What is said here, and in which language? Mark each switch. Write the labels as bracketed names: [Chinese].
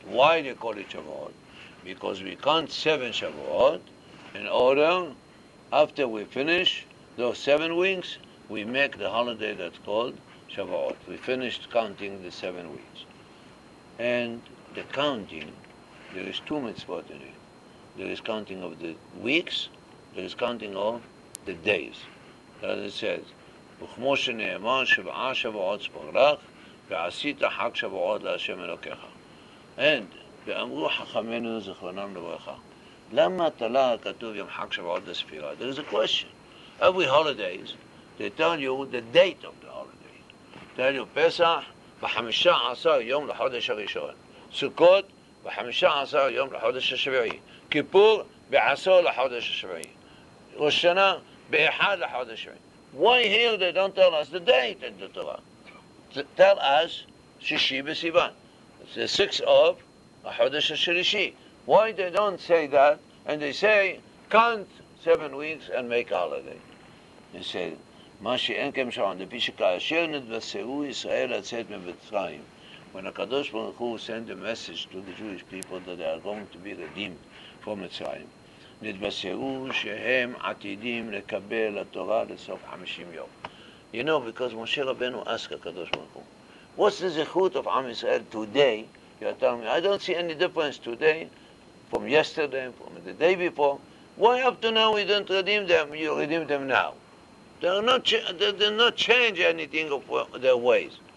[English] Why they call it Shavuot? Because we count 7 Shavuot in order, after we finish those 7 weeks, we make the holiday that's called Shavuot. We finished counting the 7 weeks. And the counting, there is 2 mitzvot in it. There is counting of the weeks, there is counting of the days. As it says, [Hebrew] וכמו שנאמר שבעה שבועות ספרלך, ועשית חג שבועות להשם אלוקיך. אין, ואמרו חכמנו זכרונם לברכה, למה תלה כתוב יום חג שבועות לספירה? [English] There is a question. Every holidays, they tell you the date of the holiday. Tell you [Hebrew] פסח בחמישה עשר יום לחודש הראשון. סוכות בחמישה עשר יום לחודש השביעי. כיפור בעשור לחודש השביעי. ראש שנה באחד לחודש השביעי. [English] Why here they don't tell us the date in the Torah? Tell us [Hebrew] שישי בסיוון. [English] It's the sixth of [Hebrew] החודש השלישי. [English] Why they don't say that? And they say, count 7 weeks and make a holiday. [Hebrew] They say, מה שאין כמשון, לפי שכאשר נתבשרו ישראל לצאת מבצרים, [English] when [Hebrew] הקדוש ברוך הוא [English] send a message to the Jewish people that they are going to be redeemed from [Hebrew] מצרים, נתבשרו שהם עתידים לקבל התורה לסוף 50 יום. [English] You know, because משה רבנו asked הקדוש ברוך הוא, what's the זכות of עם ישראל today? You are telling me, I don't see any difference today from yesterday, from the day before. Why up to now we don't redeem them? You redeem them now. They're not changing anything of their ways.